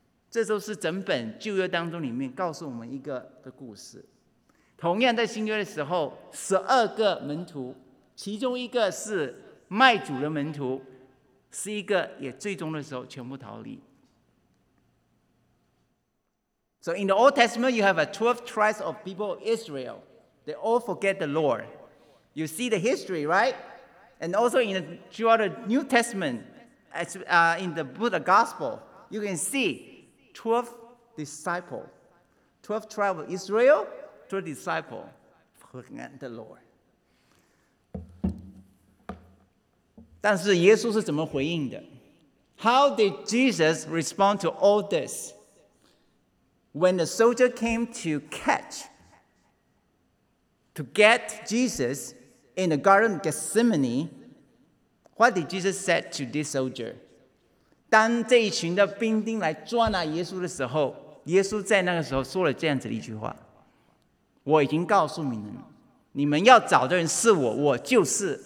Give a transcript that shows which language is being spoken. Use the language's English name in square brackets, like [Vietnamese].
[Chinese] 这都是整本旧约当中里面告诉我们一个的故事。同样在新约的时候，12个门徒，其中一个是卖主的门徒，是一个也最终的时候全部逃离。 [English] So in the Old Testament, you have a 12 tribes of people of Israel. They all forget the Lord. You see the history, right? And also in the, throughout the New Testament, in the Buddha Gospel, you can see 12 disciples, 12 tribes of Israel, 12 disciples forget the Lord. [Chinese] 但是耶稣是怎么回应的？ [English] How did Jesus respond to all this? When the soldier came to get Jesus in the Garden of Gethsemane, what did Jesus say to this soldier? [Chinese] 当这一群的兵丁来抓拿耶稣的时候，耶稣在那个时候说了这样子的一句话：我已经告诉你们，你们要找的人是我，我就是。